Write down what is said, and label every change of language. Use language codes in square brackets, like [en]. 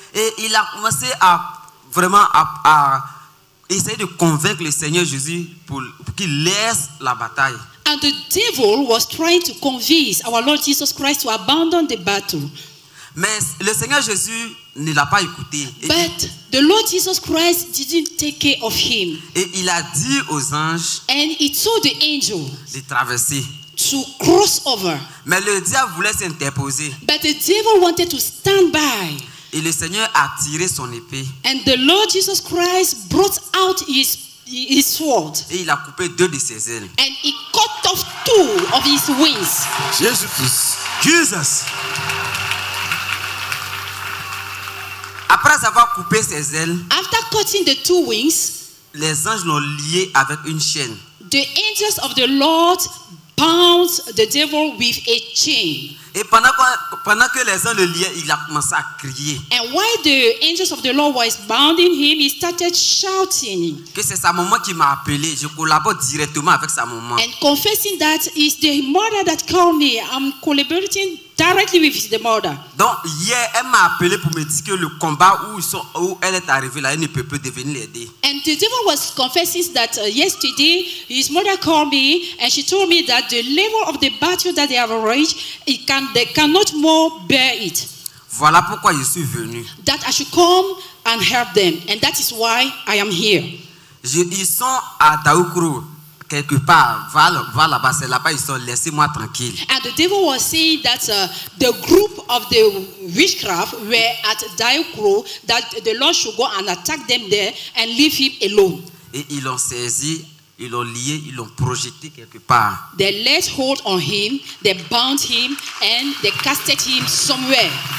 [fr] Et il a commencé à vraiment à essayer de convaincre le Seigneur Jésus pour qu'il laisse la bataille. [en] And the devil was trying to convince our Lord Jesus Christ to abandon the battle. [fr] Mais le Seigneur Jésus ne l'a pas écouté. [en] But the Lord Jesus Christ didn't take care of him. [fr] Et il a dit aux anges. [en] And he told the angels. [fr] De traverser. [en] To cross over. [fr] Mais le diable voulait s'interposer. [en] But the devil wanted to stand by. [fr] Et le Seigneur a tiré son épée. [en] And the Lord Jesus Christ brought out his sword. [fr] Et il a coupé deux de ses ailes. [en] And he cut off two of his wings. Jesus Christ. Jesus. [fr] Après avoir coupé ses ailes, [en] after cutting the two wings, [fr] les anges l'ont lié avec une chaîne. [en] The angels of the Lord bound the devil with a chain. [fr] Et pendant que les anges le liaient, il a commencé à crier. [en] And while the angels of the Lord was bounding him, he started shouting. [fr] Que c'est sa maman qui m'a appelé. Je collabore directement avec sa maman. [en] And confessing that it's the mother that called me. I'm collaborating directly with the mother. [fr] Donc hier, elle m'a appelé pour me dire que le combat où elle est arrivée là, elle ne peut plus devenir l'aider. [en] And the devil was confessing that yesterday his mother called me and she told me that the level of the battle that they have reached, they cannot more bear it. [fr] Voilà pourquoi je suis venu. [en] That I should come and help them, and that is why I am here. [fr] Ils sont à Daoukourou. Quelque part, va là-bas, c'est là-bas, ils sont, laissez-moi tranquille. [en] And the devil was saying that the group of the witchcraft were at Daikro, that the Lord should go and attack them there and leave him alone. [fr] Et ils l'ont saisi, ils l'ont lié, ils l'ont projeté quelque part. [en] They laid hold on him, they bound him, and they casted him somewhere.